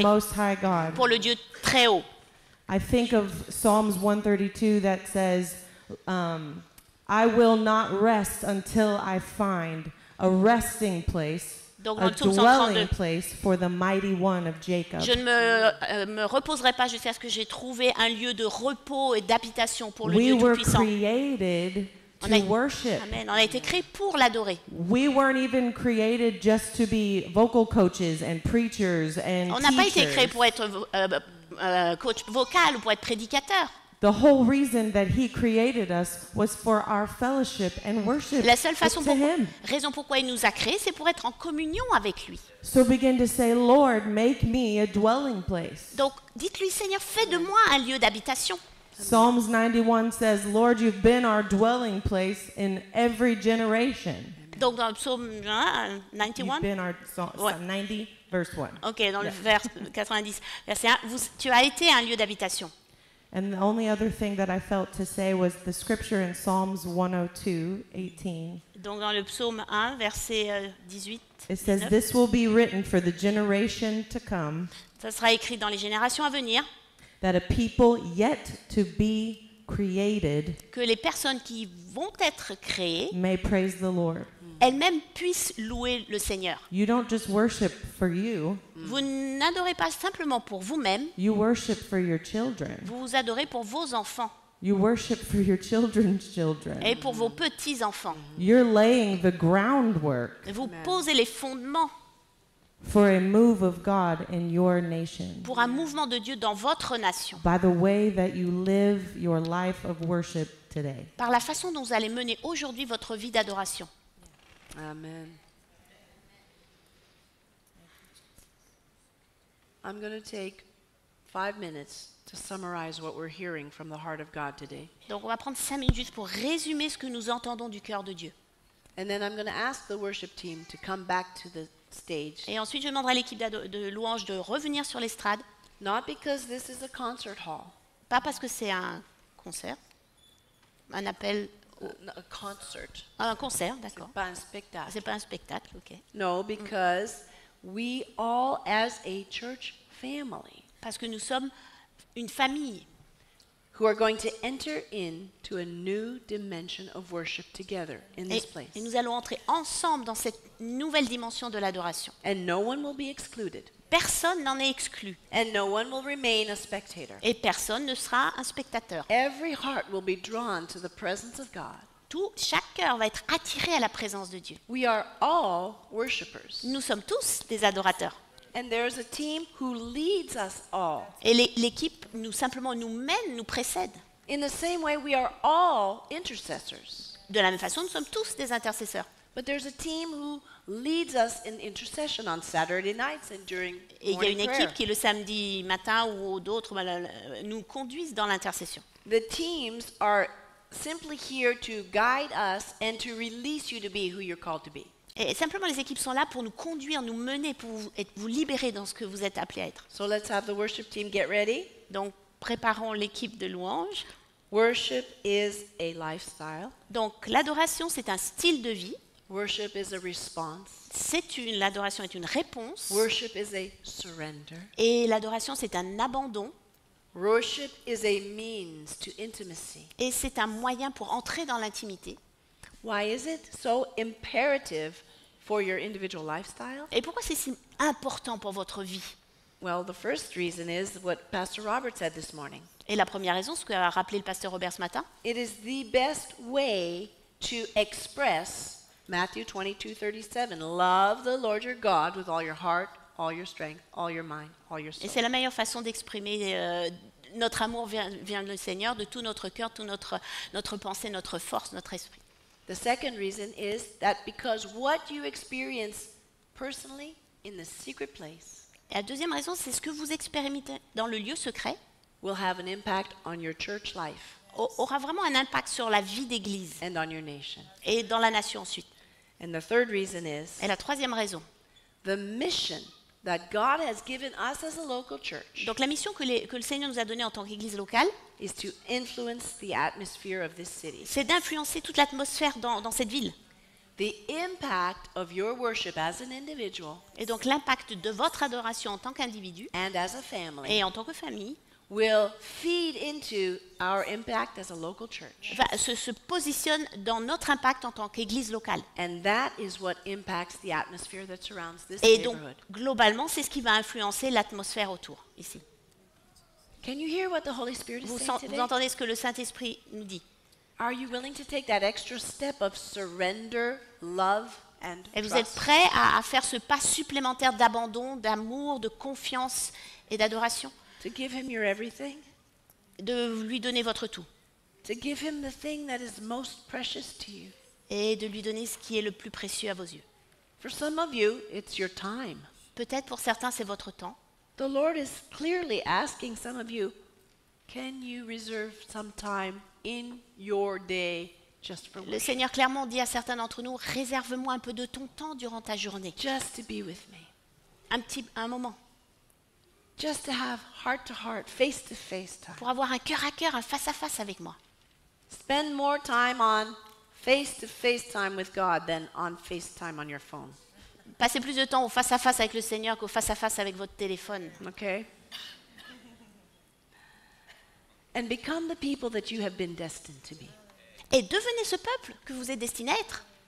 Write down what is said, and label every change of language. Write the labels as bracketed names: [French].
[English] for the Most High God. [French] Pour le Dieu très haut. [English] I think of Psalms 132 that says I will not rest until I find a resting place, [French] donc, [English] a dwelling place for the mighty one of Jacob. [French] Je ne me reposerai pas jusqu'à ce que j'ai trouvé un lieu de repos et d'habitation pour le [English] we [French] Dieu tout puissant. [English] We were created to worship. [French] Amen. On a été créés pour l'adorer. [English] We weren't even created just to be vocal coaches and preachers and [French] on [English] teachers. [French] On n'a pas été créés pour être coach vocal ou pour être prédicateur. [English] The whole reason that he created us was for our fellowship and worship. [French] La seule façon [English] to him. [French] Raison pourquoi il nous a créés, c'est pour être en communion avec lui. [English] So begin to say, Lord, make me a dwelling place. [French] Donc dites-lui, Seigneur, fais de moi un lieu d'habitation. [English] Psalms 91 says, Lord, you've been our dwelling place in every generation. [French] Donc dans le psaume 90, verse 1. Okay, dans le vers 90, verset 1, tu as été un lieu d'habitation. [English] And the only other thing that I felt to say was the scripture in Psalms 102:18. [French] Donc dans le psaume 1 verset 18. [English] It says this will be written for the generation to come. [French] Ça sera écrit dans les générations à venir. [English] That a people yet to be created. [French] Que les personnes qui vont être créées. [English] May praise the Lord. [French] Elles-mêmes puissent louer le Seigneur. [English] You don't just worship for you. [French] Vous n'adorez pas simplement pour vous-même. [English] You worship for your children. [French] Vous vous adorez pour vos enfants. [English] You worship for your children's children. [French] Et pour vos petits-enfants. [English] You're laying the groundwork. [French] Vous posez les fondements. [English] For a move of God in your nation. [French] Pour un mouvement de Dieu dans votre nation. [English] By the way that you live your life of worship today. [French] Par la façon dont vous allez mener aujourd'hui votre vie d'adoration. [English] Amen. I'm going to take 5 minutes to summarize what we're hearing from the heart of God today. [French] Donc on va prendre 5 minutes juste pour résumer ce que nous entendons du cœur de Dieu. [English] And then I'm going to ask the worship team to come back to the stage. [French] Et ensuite je demanderai à l'équipe de louange de revenir sur l'estrade. [English] Not because this is a concert hall. [French] Pas parce que c'est un concert. Un appel. [English] A concert. [French] Un concert, d'accord. C'est pas un spectacle. C'est pas un spectacle, ok. [English] No, because we all, as a church family, [French] parce que nous sommes une famille, [English] who are going to enter into a new dimension of worship together in this place. [French] Et nous allons entrer ensemble dans cette nouvelle dimension de l'adoration. [English] And no one will be excluded. [French] Personne n'en est exclu. [English] And no one will remain a spectator. [French] Et personne ne sera un spectateur. [English] Every heart will be drawn to the presence of God. [French] Tout, chaque cœur va être attiré à la présence de Dieu. [English] We are all worshipers. [French] Nous sommes tous des adorateurs. [English] And there's a team who leads us all. [French] Et l'équipe nous simplement nous mène, nous précède. [English] In the same way, we are all intercessors. [French] De la même façon, nous sommes tous des intercesseurs. [English] But there's a team who leads us in intercession on Saturday nights and during morning prayer. [French] Et il y a une équipe qui le samedi matin ou d'autres nous conduisent dans l'intercession. [English] The teams are simply here to guide us and to release you to be who you're called to be. [French] Et simplement, les équipes sont là pour nous conduire, nous mener, pour vous libérer dans ce que vous êtes appelé à être. [English] So let's have the worship team get ready. [French] Donc, préparons l'équipe de louange. [English] Worship is a lifestyle. [French] Donc, l'adoration, c'est un style de vie. [English] Worship is a response. [French] L'adoration est une réponse. [English] Worship is a surrender. [French] Et l'adoration, c'est un abandon. [English] Worship is a means to intimacy. [French] Et c'est un moyen pour entrer dans l'intimité. [English] Why is it so imperative for your individual lifestyle? [French] Et pourquoi c'est si important pour votre vie? [English] Well, the first reason is what Pastor Robert said this morning. [French] Et la première raison, ce que a rappelé le Pasteur Robert ce matin. [English] It is the best way to express Matthew 22:37, love the Lord your God with all your heart, all your strength, all your mind, all your soul. [French] Et c'est la meilleure façon d'exprimer notre amour vient du Seigneur de tout notre cœur, tout notre pensée, notre force, notre esprit. [English] The second reason is that because what you experience personally in the secret place. [French] Et la deuxième raison, c'est ce que vous expérimentez dans le lieu secret [English] will have an impact on your church life. [French] Aura vraiment un impact sur la vie d'église [English] and on your nation. [French] Et dans la nation ensuite. [English] And the third reason is [French] et la troisième raison, [English] the mission that God has given us as a local church. [French] Donc la mission que le Seigneur nous a donnée en tant qu'église locale [English] is to influence the atmosphere of this city. [French] C'est d'influencer toute l'atmosphère dans cette ville. [English] The impact of your worship as an individual. [French] Et donc l'impact de votre adoration en tant qu'individu [English] and as a family. [French] Et en tant que famille [English] will feed into our impact as a local church. [French] Se positionne dans notre impact en tant qu'église locale. [English] And that is what impacts the atmosphere that surrounds this [French] et donc, [English] neighborhood. [French] Globalement, c'est ce qui va influencer l'atmosphère autour ici. [English] Can you hear what the Holy Spirit is saying today? [French] Vous entendez ce que le Saint-Esprit nous dit? [English] Are you willing to take that extra step of surrender, love and trust? [French] Et vous êtes prêt à faire ce pas supplémentaire d'abandon, d'amour, de confiance et d'adoration? [English] To give him your everything. [French] De lui donner votre tout. [English] To give him the thing that is most precious to you. [French] Et de lui donner ce qui est le plus précieux à vos yeux. [English] For some of you, it's your time. [French] Peut-être pour certains, c'est votre temps. [English] The Lord is clearly asking some of you, can you reserve some time in your day just for me? [French] Le Seigneur clairement dit à certains d'entre nous, réserve-moi un peu de ton temps durant ta journée. [English] Just to be with me. [French] Un moment. [English] Just to have heart to heart, face to face time. [French] Pour avoir un cœur à cœur, un face à face avec moi. [English] Spend more time on face to face time with God than on FaceTime on your phone. [French] Passez plus de temps au face à face avec le Seigneur qu'au face à face avec votre téléphone. [English] Okay. And become the people that you have been destined to be. [French] Et devenez ce peuple que vous êtes destiné à être.